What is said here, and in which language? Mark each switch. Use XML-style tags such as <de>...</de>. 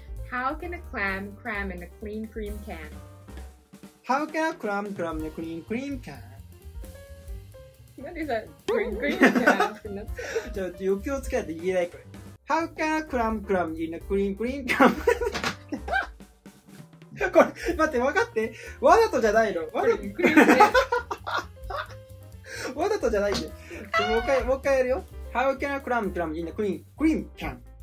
<en>How can a clam cram in a clean cream can? How can a clam cram in a clean cream can?</en> <ja>なんでさ、クリンクリンかなってなった。ちょっと余計をつけないと言えないこれ。</ja> <en>How can a clam cram in a clean cream can?</en> <ja>これ、待って、分かって。わざとじゃないの。わざと。わざとじゃないで。もう一回やるよ。</ja> <en>How can a clam cram in a clean cream can?</en>